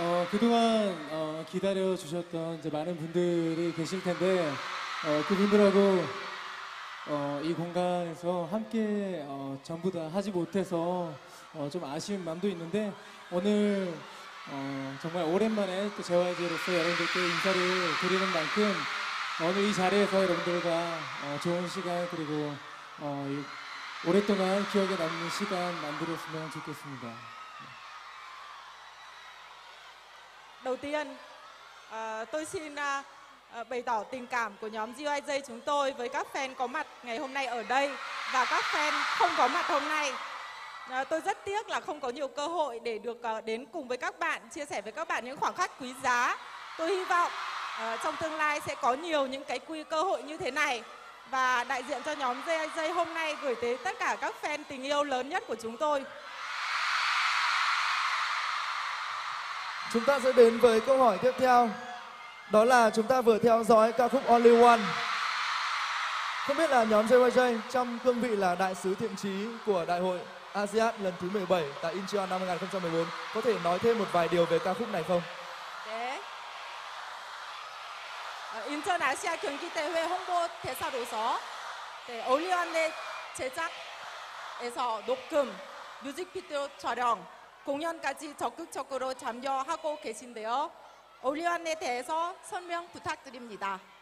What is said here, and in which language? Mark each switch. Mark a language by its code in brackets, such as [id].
[ko] 그동안 기다려 주셨던 이제 많은 분들이 계실 텐데 그분들하고 이 공간에서 함께 전부 다 하지 못해서 좀 아쉬운 마음도 있는데 오늘 정말 오랜만에 또 JYJ로서 여러분들께 인사를 드리는 만큼 오늘 이 자리에서 여러분들과 좋은 시간 그리고 이 오랫동안 기억에 남는 시간 만들었으면 좋겠습니다. [vi] 우선 tôi xin bày tỏ tình cảm của nhóm JYJ chúng tôi với các fan có mặt ngày hôm nay ở đây và các fan không có mặt hôm nay. Tôi rất tiếc là không có nhiều cơ hội để được đến cùng với các bạn, chia sẻ với các bạn những khoảnh khắc quý giá. Tôi hy vọng trong tương lai sẽ có nhiều những cái cơ hội như thế này. Và đại diện cho nhóm JYJ hôm nay gửi tới tất cả các fan tình yêu lớn nhất của chúng tôi. Chúng ta sẽ đến với câu hỏi tiếp theo. Đó là chúng ta vừa theo dõi ca khúc Only One. Không biết là nhóm JYJ trong cương vị là đại sứ thiện chí của đại hội ASEAN lần thứ 17 tại Incheon năm 2014 có thể nói thêm một vài điều về ca khúc này không? [ko] Incheon ASEAN 경기 대회 홍보 대사로서 Only One의 제작에서 녹음, 뮤직비디오 촬영, 공연까지 적극적으로 참여하고 계신데요. Only One에 대해서 설명 부탁드립니다.